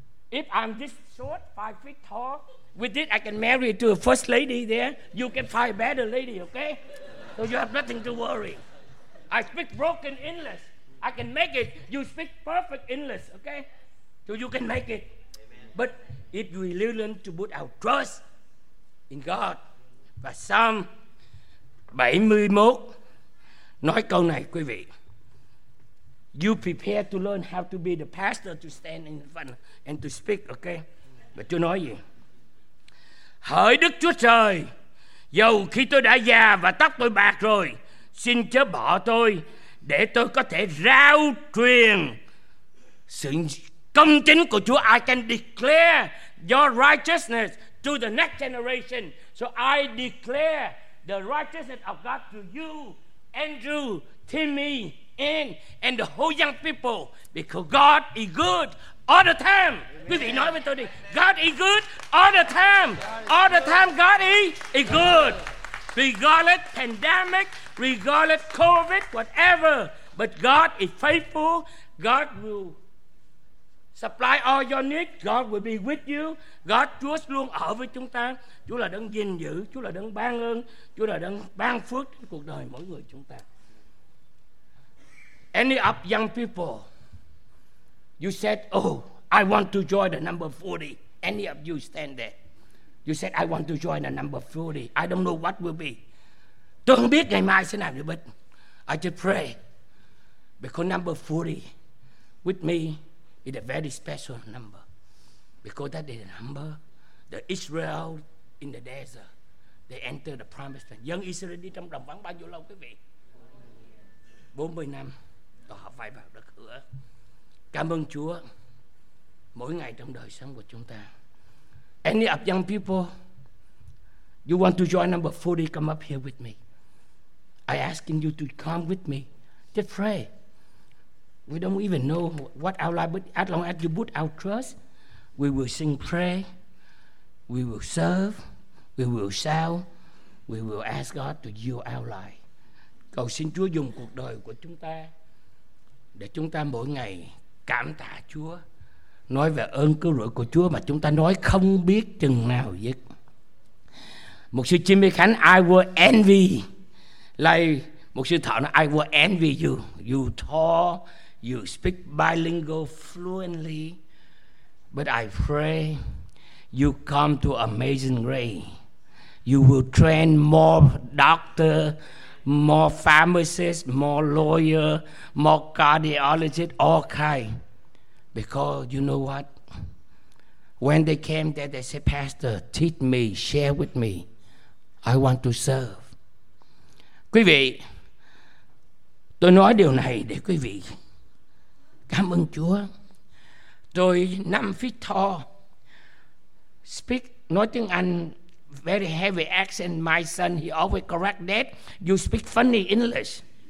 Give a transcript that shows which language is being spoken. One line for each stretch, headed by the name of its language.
English: If I'm this short, 5 feet tall, with this I can marry to a first lady there. You can find a better lady, okay? So you have nothing to worry. I speak broken English. I can make it. You speak perfect English, okay? So you can make it. Amen. But if we learn to put our trust in God.
Vietnamese: Và Psalm 71 nói câu này, quý vị.
English: You prepare to learn how to be the pastor to stand in front and to speak, okay?
Vietnamese: Và Chúa nói gì? Hỡi Đức Chúa Trời, dầu khi tôi đã già và tóc tôi bạc rồi, xin chớ bỏ tôi để tôi có thể rao truyền sự công chính của Chúa.
English: I can declare your righteousness to the next generation. So I declare the righteousness of God to you, Andrew, Timmy, and the whole young people, because God is good all the time.
Vietnamese: Quý vị nói với tôi đi.
English: God is good all the time. All the time God is good. Regardless pandemic, regardless COVID, whatever, but God is faithful. God will supply all your needs. God will be with you.
Vietnamese: God, Chúa luôn ở với chúng ta. Chúa là đấng gìn giữ, Chúa là đấng ban ơn, Chúa là đấng ban phước trên cuộc đời mỗi người chúng ta.
English: Any of young people, you said, oh, I want to join the number 40. Any of you stand there. You said, I want to join the number 40. I don't know what will be.
Vietnamese: Tôi không biết ngày mai sẽ làm gì,
English: but I just pray. Because number 40 with me is a very special number. Because that is a number the Israel in the desert, they enter the promised land.
Vietnamese: Young Israel đi trong đồng vắng bao nhiêu lâu quý vị? 40 năm. Rồi họ phải vào đất hứa. Cảm ơn Chúa mỗi ngày trong đời sống của chúng ta.
English: Any of young people, you want to join number 40, come up here with me. I asking you to come with me. Just pray. We don't even know what our life, but as long as you put our trust, we will sing prayer, we will serve, we will shout, we will ask God to heal our life.
Vietnamese: Cầu xin Chúa dùng cuộc đời của chúng ta để chúng ta mỗi ngày cảm tạ Chúa, nói về ơn cứu rỗi của Chúa mà chúng ta nói không biết chừng nào dứt.
English: Mục sư Jimmy Khánh, I will envy. Like mục sư Thọ nói, I will envy you. You tall, you speak bilingual fluently, but I pray you come to amazing grace. You will train more doctor, more pharmacist, more lawyer, more cardiologist, all kind. Because you know what? When they came there, they said, Pastor, teach me, share with me. I want to serve.
Vietnamese: Quý vị, tôi nói điều này để quý vị cảm ơn Chúa.
English: Tôi 5 feet tall, speak,
Vietnamese: nói tiếng Anh,
English: very heavy accent. My son, he always correct that. You speak funny English.